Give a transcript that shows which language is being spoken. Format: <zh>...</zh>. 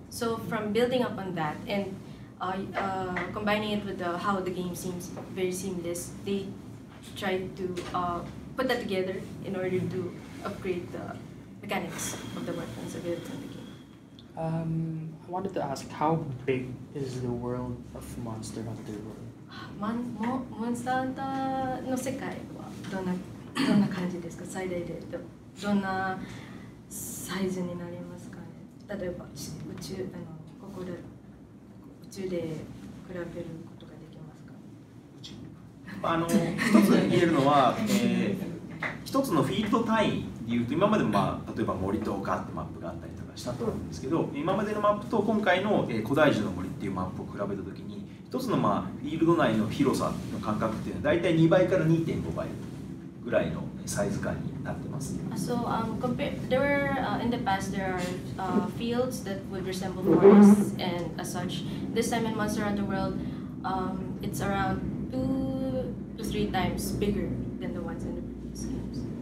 <en>So from building up on that and combining it with how the game seems very seamless, they tried to put that together in order to upgrade the mechanics of the weapons available in the game. I wanted to ask, how big is the world of Monster Hunter World?</en> <ja>Monster Hunter の世界はどんな感じですか？最大でどんなサイズになりますかね？例えば宇宙ここで宇宙で比べることができますか？一つ言えるのは一つのフィールド単位でいうと、今までも例えば森とかってマップがあったりとかしたと思うんですけど、今までのマップと今回の、古代樹の森っていうマップを比べたときに、一つのフィールド内の広さの感覚っていうのは大体2倍から 2.5 倍ぐらいのサイズ感になってます。</ja> <en>So, there were, in the past, there are fields that would resemble forests and as such. This time in Monster Hunter World, it's around 2 to 3 times bigger than the ones in the previous games.</en>